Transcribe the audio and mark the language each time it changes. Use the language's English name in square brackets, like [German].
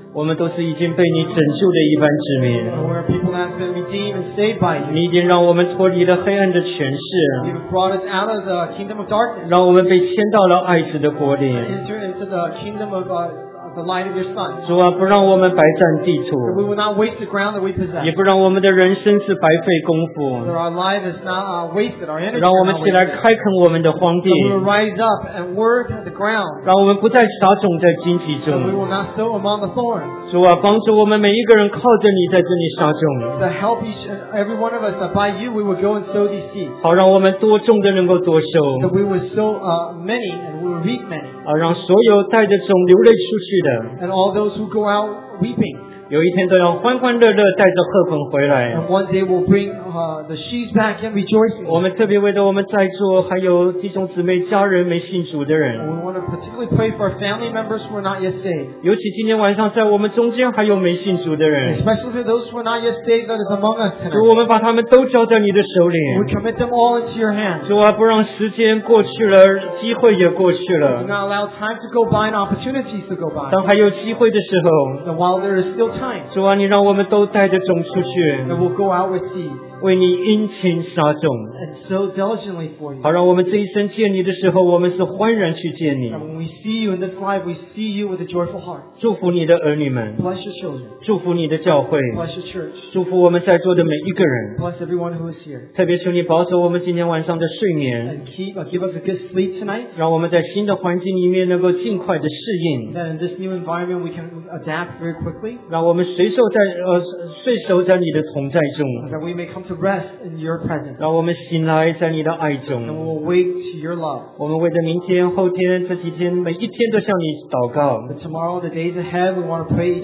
[Chinese] 我们都是已经被你拯救的一般之民。 [English] We're people that have been redeemed and saved by you. [Chinese] 你已经让我们脱离了黑暗的权势。 [English] You've brought us out of the kingdom of darkness. [Chinese] 让我们被迁到了爱子的国里。 [English] Enter into the kingdom of God. The light of your son. [Chinese] 主啊，不让我们白占地图。 [English] We will not waste the ground that we possess. [Chinese] 也不让我们的人生是白费功夫。 [English] That our life is not wasted. Our energy. [Chinese] 让我们起来开垦我们的荒地。 [English] We will rise up and work the ground. [Chinese] 让我们不再撒种在荆棘中。 [English] We will not sow among the thorns. [Chinese] 主啊，帮助我们每一个人靠着你在这里撒种。 [English] To help each every one of us by you, we will go and sow these seeds. [Chinese] 好，让我们多种的能够多收。 [English] That we will sow many and we will reap many. [Chinese] 啊，让所有带着种流泪出去。 [English] And all those who go out weeping, [Chinese] 有一天都要欢欢乐乐带着贺捆回来。 [English] And one day will bring the sheaves back and rejoicing. [Chinese] 我们特别为了我们在座还有弟兄姊妹家人没信主的人。 [English] We want to particularly pray for our family members who are not yet saved. [Chinese] 尤其今天晚上在我们中间还有没信主的人。 [English] Especially for those who are not yet saved that is among us tonight. [Chinese] 主，我们把他们都交在你的手里。 [English] We commit them all into your hands. [Chinese] 主啊，不让时间过去了，机会也过去了。 [English] Do not allow time to go by and opportunities to go by. [Chinese] 当还有机会的时候。 [English] And while there is still time. [Chinese] 主啊，你让我们都带着种出去。 [English] And we'll go out with seed. [Chinese] 为你殷勤撒种 [English] and so diligently for you. [Chinese] 好让我们这一生见你的时候我们是欢然去见你 [English] And when we see you in this life we see you with a joyful heart [Chinese] 祝福你的儿女们 [English] Bless your children [Chinese] 祝福你的教会 [English] Bless your church [Chinese] 祝福我们在座的每一个人 [English] Bless everyone who is here [Chinese] 特别求你保守我们今天晚上的睡眠 [English] And keep, give us a good sleep tonight [Chinese] 让我们在新的环境里面能够尽快的适应 [English] That in this new environment we can adapt very quickly [Chinese] 让我们睡熟在你的同在中 [English] That we may come to rest in your presence. [Chinese] 让我们醒来在你的爱中。 [English] And we'll wake to your love. [Chinese] 我们为着明天、后天、这几天、每一天都向你祷告。 [English] But tomorrow, the days ahead, we want to pray.